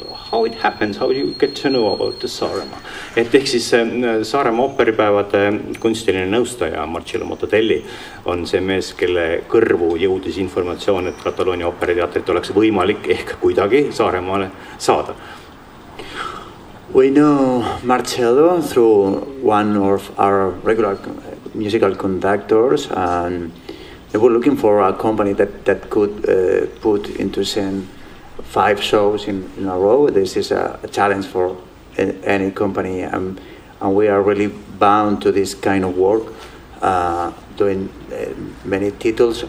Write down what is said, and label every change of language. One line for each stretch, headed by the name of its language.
English: How it happens, how you get to know about the Saaremaa?
Estonian: Et ehk siis Saaremaa Operipäevade kunstiline nõustaja Marcello Mottadelli on see mees, kelle kõrvu jõudis informatsioon, et Kataloonia Operiteatrit oleks võimalik ehk kuidagi Saaremaale saada.
English: We know Marcello through one of our regular musical conductors, and we were looking for a company that could put into scene 5 shows in a row. This is a challenge for any company, and we are really bound to this kind of work, doing many titles.